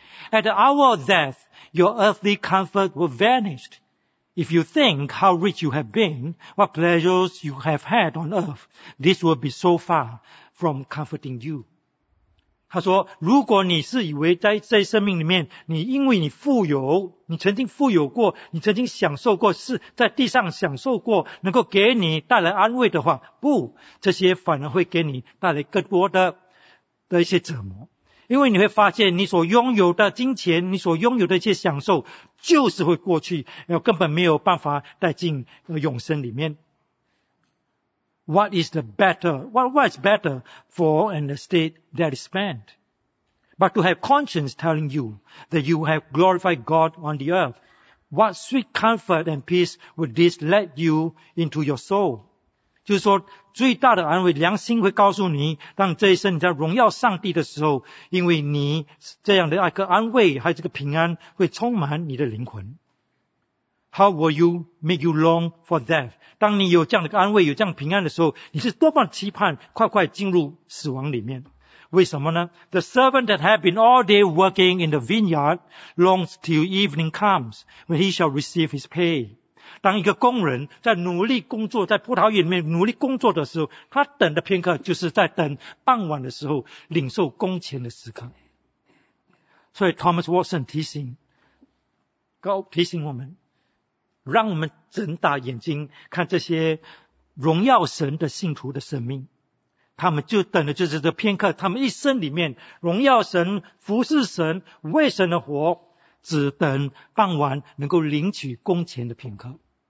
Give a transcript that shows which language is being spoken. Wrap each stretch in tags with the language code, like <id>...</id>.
<en>At our death your earthly comfort will vanish if you think how rich you have been, what pleasures you have had on earth, this will be so far from comforting you。</en> <zh>他说如果你是以为在生命里面，你因为你富有，你曾经富有过，你曾经享受过，是在地上享受过，能够给你带来安慰的话，不，这些反而会给你带来更多的一些折磨。因为你会发现你所拥有的金钱，你所拥有的一些享受就是会过去，根本没有办法带进永生里面。</zh> <en>What is the better? What is better for an estate that is spent? But to have conscience telling you that you have glorified God on the earth, what sweet comfort and peace would this let you into your soul?</en> <zh>就是说，最大的安慰，良心会告诉你，当这一生你在荣耀上帝的时候，因为你这样的一个安慰，还有这个平安，会充满你的灵魂。</zh> <en>How will you make you long for death?</en> <zh>当你有这样的安慰，有这样平安的时候，你是多么期盼快快进入死亡里面。为什么呢？</zh> <en>The servant that had been all day working in the vineyard longs till evening comes when he shall receive his pay.</en> <zh>当一个工人在努力工作，在葡萄园里面努力工作的时候，他等的片刻就是在等傍晚的时候领受工钱的时刻。所以 Thomas Watson 提醒我们，让我们睁大眼睛看这些荣耀神的信徒的生命，他们就等的就是这片刻，他们一生里面荣耀神，服侍神，为神而活，只等傍晚能够领取工钱的片刻，</zh>